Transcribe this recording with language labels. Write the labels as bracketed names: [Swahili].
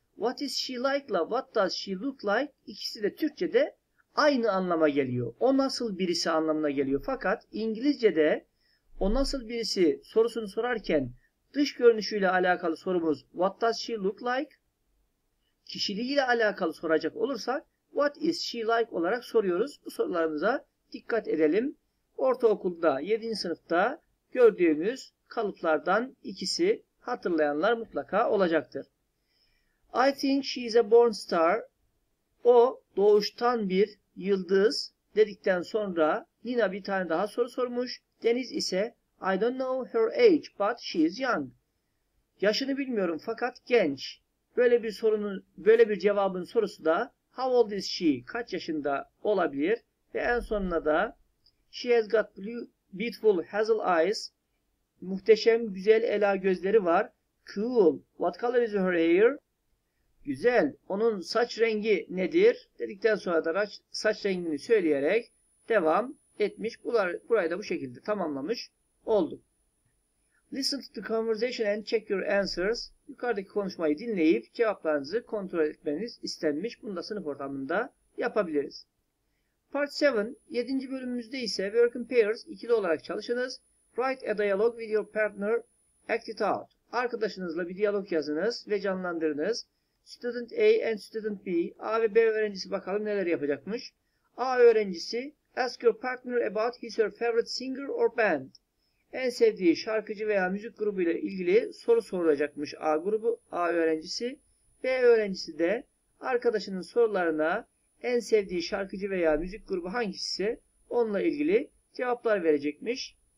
[English] What is she like [Turkish] ile [English] what does she look like? [Turkish] İkisi de Türkçe'de aynı anlama geliyor. O nasıl birisi anlamına geliyor. Fakat İngilizce'de o nasıl birisi sorusunu sorarken Dış görünüşüyle alakalı sorumuz [English] What does she look like? [Turkish] Kişiliğiyle alakalı soracak olursak [English] What is she like [Turkish] olarak soruyoruz. Bu sorularımıza dikkat edelim. Ortaokulda 7. sınıfta gördüğümüz kalıplardan ikisi hatırlayanlar mutlaka olacaktır. [English] I think she is a born star. [Turkish] O doğuştan bir yıldız dedikten sonra Nina bir tane daha soru sormuş. [English] Deniz ise I don't know her age but she is young. [Turkish] Yaşını bilmiyorum fakat genç. Böyle bir cevabın sorusu da [English] how old is she? [Turkish] Kaç yaşında olabilir? Ve en sonuna da [English] she has got blue, beautiful hazel eyes. [Turkish] Muhteşem güzel ela gözleri var. [English] Cool. What color is her hair? [Turkish] Güzel. Onun saç rengi nedir? Dedikten sonra da saç rengini söyleyerek devam etmiş. Burayı da bu şekilde tamamlamış olduk. [English] Listen to the conversation and check your answers. [Turkish] Yukarıdaki konuşmayı dinleyip cevaplarınızı kontrol etmeniz istenmiş. Bunu da sınıf ortamında yapabiliriz. [English] Part 7, [Turkish] 7. bölümümüzde ise [English] work in pairs, [Turkish] ikili olarak çalışınız. [English] Write a dialogue with your partner, act it out. [Turkish] Arkadaşınızla bir diyalog yazınız ve canlandırınız. [English] Student A and student B, [Turkish] A ve B öğrencisi bakalım neler yapacakmış. A öğrencisi, [English] ask your partner about his or her favorite singer or band. [Turkish] En sevdiği şarkıcı veya müzik grubu ile ilgili soru sorulacakmış A grubu, A öğrencisi. B öğrencisi de arkadaşının sorularına en sevdiği şarkıcı veya müzik grubu hangisi onunla ilgili cevaplar verecekmiş.